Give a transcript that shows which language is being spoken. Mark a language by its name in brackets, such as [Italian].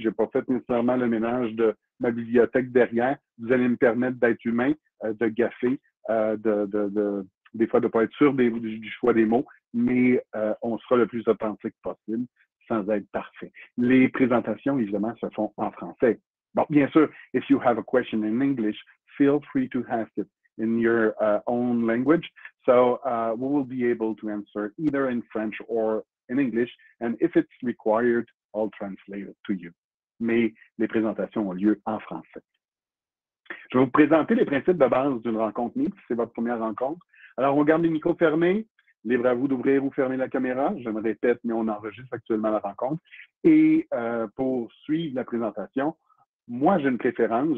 [French] Je n'ai pas fait nécessairement le ménage de ma bibliothèque derrière. Vous allez me permettre d'être humain, de gaffer, des fois de ne pas être sûr du choix des mots, mais on sera le plus authentique possible sans être parfait. Les présentations, évidemment, se font en français. Bon, bien sûr, [English] if you have a question in English, feel free to ask it in your own language. So we will be able to answer either in French or in English. And if it's required, I'll translate it to you. [French] Mais les présentations ont lieu en français. Je vais vous présenter les principes de base d'une rencontre mixte. C'est votre première rencontre. Alors, on garde les micros fermés. Libre à vous d'ouvrir ou fermer la caméra. Je me répète, mais on enregistre actuellement la rencontre. Et pour suivre la présentation, moi, j'ai une préférence.